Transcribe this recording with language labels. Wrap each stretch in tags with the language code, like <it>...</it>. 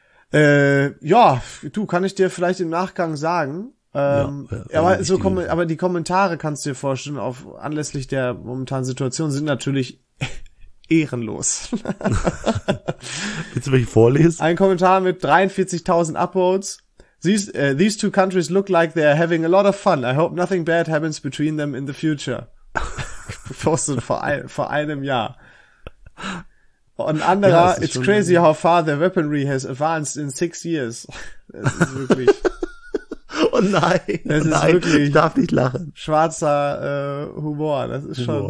<de>Kann ich dir vielleicht im Nachgang sagen. Aber die Kommentare kannst du dir vorstellen, auf anlässlich der momentanen Situation, sind natürlich ehrenlos. Willst du welche vorlesen? Ein Kommentar mit 43.000 Upvotes.</de> <en>These two countries look like they're having a lot of fun. I hope nothing bad happens between them in the future.</en> <de>Postet vor einem Jahr. Und anderer, ja,</de> <en>it's crazy how far the weaponry has advanced in 6 years.</en> <de>Es ist wirklich. Oh nein, ich darf nicht lachen. Schwarzer Humor, das ist Humor.</de>